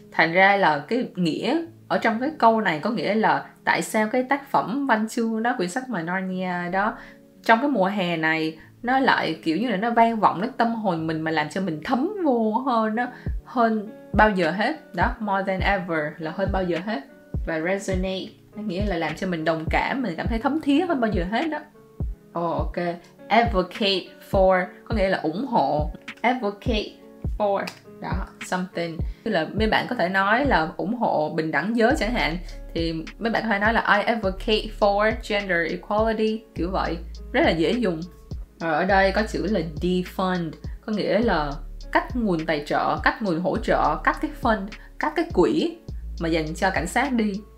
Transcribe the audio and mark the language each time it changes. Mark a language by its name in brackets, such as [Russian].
[Vietnamese] Thành ra là cái nghĩa ở trong cái câu này có nghĩa là tại sao cái tác phẩm văn chương đó, quyển sách mà Narnia đó, trong cái mùa hè này nó lại kiểu như là nó vang vọng đến tâm hồn mình, mà làm cho mình thấm vô hơn đó, hơn bao giờ hết đó. [English] More than ever [Vietnamese] là hơn bao giờ hết. Và resonate nó nghĩa là làm cho mình đồng cảm, mình cảm thấy thấm thía hơn bao giờ hết đó. Oh, ok. Advocate for có nghĩa là ủng hộ. [English] Advocate for đó, something. [Vietnamese] Như là mấy bạn có thể nói là ủng hộ bình đẳng giới chẳng hạn, thì mấy bạn có thể nói là [English] I advocate for gender equality, [Vietnamese] kiểu vậy. Rất là dễ dùng. Rồi ở đây có chữ là defund, có nghĩa là cắt nguồn tài trợ, cắt nguồn hỗ trợ, cắt cái fund, cắt cái quỹ mà dành cho cảnh sát đi.